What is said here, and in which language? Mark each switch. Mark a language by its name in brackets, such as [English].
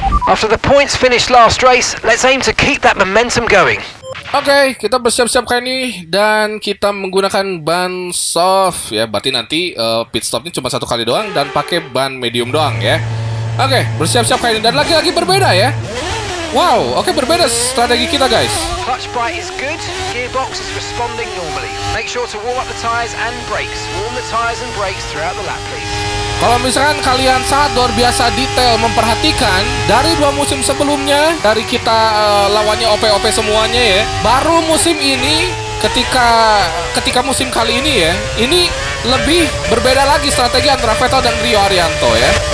[English] After the points finished last race, let's aim to keep that momentum going. [Indonesian] Okay, kita bersiap-siap kali ini dan kita menggunakan ban soft ya. Berarti nanti pit stopnya cuma satu kali doang dan pakai ban medium doang ya. Okay, bersiap-siap kali ini dan lagi-lagi berbeda ya. Wow, okay, berbeda strategi kita guys. [English] Clutch bite is good. Gearbox is responding normally. Make sure to warm up the tires and brakes. Warm the tires and brakes throughout the lap, please. [Indonesian] Kalau misalkan kalian sangat luar biasa detail memperhatikan dari dua musim sebelumnya, dari kita lawannya OP-OP semuanya ya, baru musim ini ketika musim kali ini ya, ini lebih berbeda lagi strategi antara Vettel dan Rio Haryanto ya.